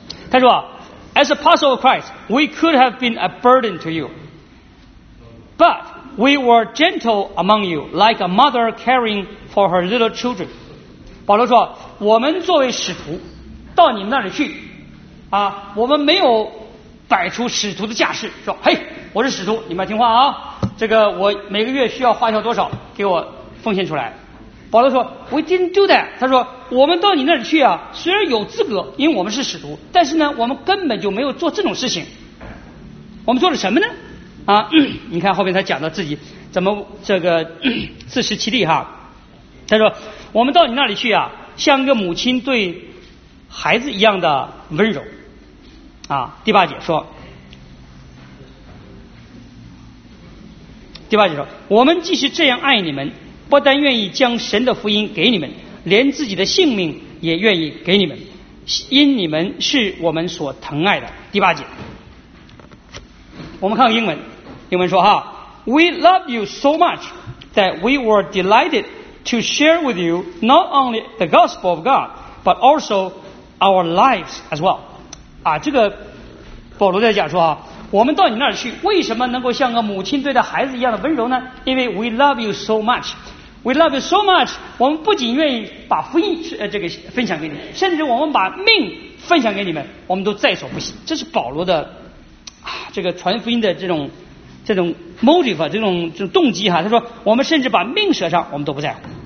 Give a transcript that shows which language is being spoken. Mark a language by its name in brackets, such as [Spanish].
[Chinese] 他说 [English] As apostle of Christ we could have been a burden to you but we were gentle among you like a mother caring for her little children。 [Chinese] 保罗说我们作为使徒到你们那里去啊，我们没有摆出使徒的架势，说嘿我是使徒你们要听话啊，这个我每个月需要花销多少给我奉献出来。保罗说 [English] We didn't do that。 [Chinese] 他说我们到你那里去啊，虽然有资格因为我们是使徒，但是呢我们根本就没有做这种事情。我们做了什么呢啊，你看后面他讲到自己怎么这个自食其力哈。他说我们到你那里去啊，像一个母亲对孩子一样的温柔啊。第八节说我们即使这样爱你们，不但愿意将神的福音给你们，连自己的性命也愿意给你们，因你们是我们所疼爱的。第八节我们看看英文说哈 [English] We love you so much that we were delighted to share with you not only the gospel of God but also our lives as well 啊，这个 [Chinese] 保罗在讲说啊，我们到你那儿去，为什么能够像个母亲对待孩子一样的温柔呢？因为 [English] we love you so much， [Chinese] we love you so much， 我们不仅愿意把福音这个分享给你，甚至我们把命分享给你们，我们都在所不惜。这是保罗的这个传福音的这种 motive 啊，这种动机哈。他说我们甚至把命舍上，我们都不在乎。